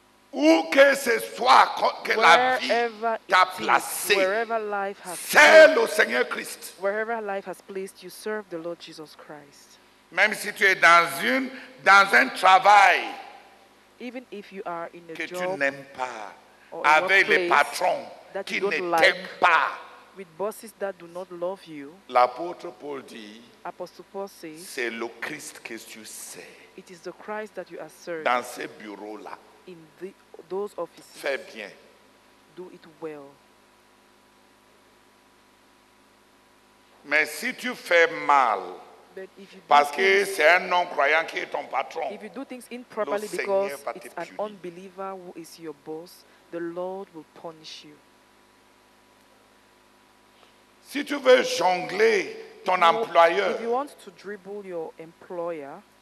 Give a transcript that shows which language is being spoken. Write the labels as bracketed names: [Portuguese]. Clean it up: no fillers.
[French] Où que ce soit que la vie t'a placé, c'est le Seigneur Christ. [English] Wherever life has placed you, serve the Lord Jesus Christ. [French] Même si tu es dans un travail [English] even if you are in a [French] que [English] job [French] tu n'aimes pas, avec les patrons qui ne t'aiment pas, [English] with bosses that do not love you, [French] l'apôtre Paul dit, [English] Apostle Paul says, [French] c'est le Christ que tu sais. [English] It is the Christ that you are serving [French] dans ces bureaux-là. [English] In the those offices. [French] Fais bien. [English] Do it well. [French] Mais si tu fais mal, parce que c'est un non-croyant qui est ton patron, [English] if you do things improperly because it's an unbeliever who is your boss, the Lord will punish you. [French] Si tu veux jongler ton employeur, [English] if you want to dribble your employer,